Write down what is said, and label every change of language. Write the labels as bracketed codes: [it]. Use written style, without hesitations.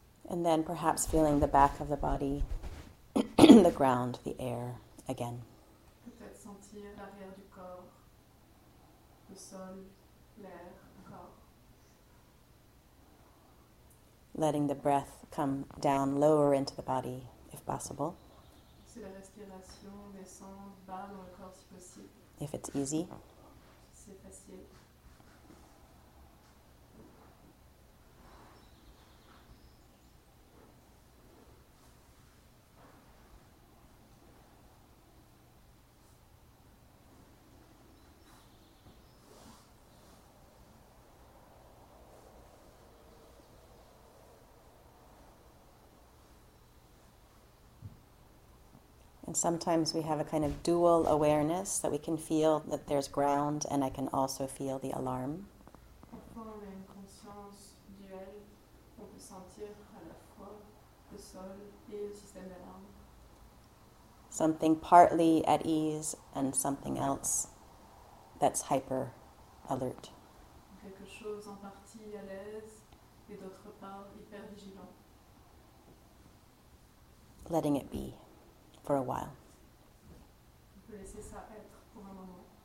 [en] And then perhaps feeling the back of the body, the ground, the air again. [fr] Peut-être sentir l'arrière du corps, le sol, l'air. [en] Letting the breath come down lower into the body, if possible. [fr] C'est la respiration descend bas dans le corps, si possible. [en] If it's easy. [fr] C'est facile. [en] Sometimes we have a kind of dual awareness that we can feel that there's ground and I can also feel the alarm. [fr] Parfois on a une conscience duelle, on peut sentir à la fois le sol et le système d'alarme. [en] Something partly at ease and something else that's hyper alert. [fr] Quelque chose en partie à l'aise et d'autre part hyper vigilant. [en] Letting it be. For a while. [fr] On peut laisser ça être pour un moment.